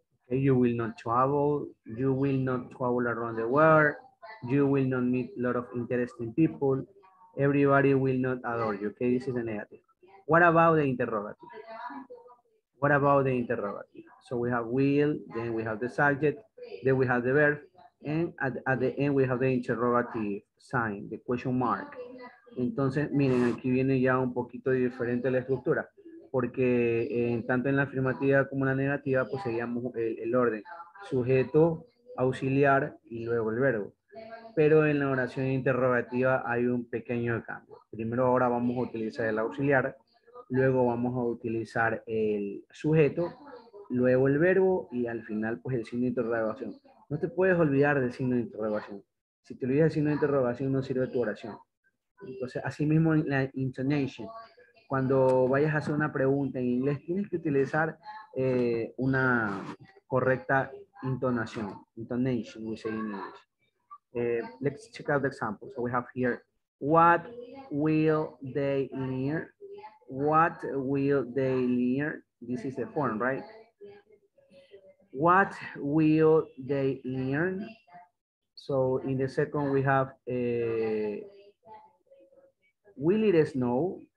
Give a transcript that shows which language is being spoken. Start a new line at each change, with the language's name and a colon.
English: You will not travel, you will not travel around the world, you will not meet a lot of interesting people, everybody will not adore you. Okay, this is a negative. What about the interrogative? What about the interrogative? So we have will, then we have the subject, then we have the verb, And at the end we have the interrogative sign, the question mark.
Spanish: Entonces, miren, aquí viene ya un poquito diferente la estructura, porque tanto en la afirmativa como en la negativa, pues seguíamos el orden. Sujeto, auxiliar y luego el verbo. Pero en la oración interrogativa hay un pequeño cambio. Primero ahora vamos a utilizar el auxiliar, luego vamos a utilizar el sujeto, luego el verbo y al final pues el signo de interrogación. No te puedes olvidar del signo de interrogación. Si te olvidas el signo de interrogación no sirve tu oración. Entonces, así mismo en la intonation. Cuando vayas a hacer una pregunta en inglés, tienes que utilizar una correcta intonación.
English: Intonation, we say in English. Let's check out the example. So we have here, what will they near? What will they near? This is the form, right? What will they learn? So in the second we have will it snow?